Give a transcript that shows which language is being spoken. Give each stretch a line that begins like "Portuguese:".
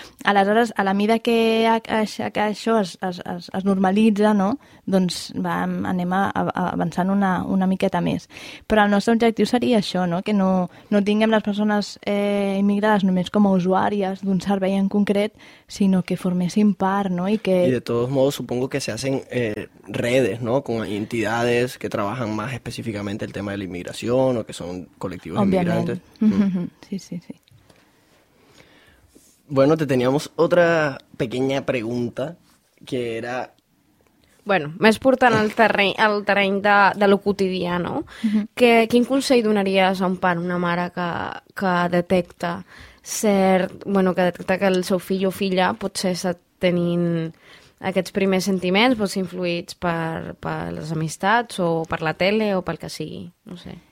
Catalan: Aleshores, a la mida que això es normalitza, no, doncs anem avançant una miqueta més. Però el nostre objectiu seria això, no, que no tinguem les persones immigrades només com a usuàries d'un servei en concret, sinó que formessin part, no, i que...
Spanish: I de todos modos, supongo que se hacen redes, no, con entidades que trabajan más específicamente el tema de la inmigración o que son colectivos inmigrantes. Sí, sí, sí. Bueno, te teníamos otra pequeña pregunta que era...
Catalan: Bueno, més portant al terreny de lo quotidià, no? Uh-huh. Quin consell donaries a un pare, una mare que detecta cert... Bueno, que detecta que el seu fill o filla potser està tenint aquests primers sentiments, potser influïts per les amistats o per la tele o pel que sigui, no sé.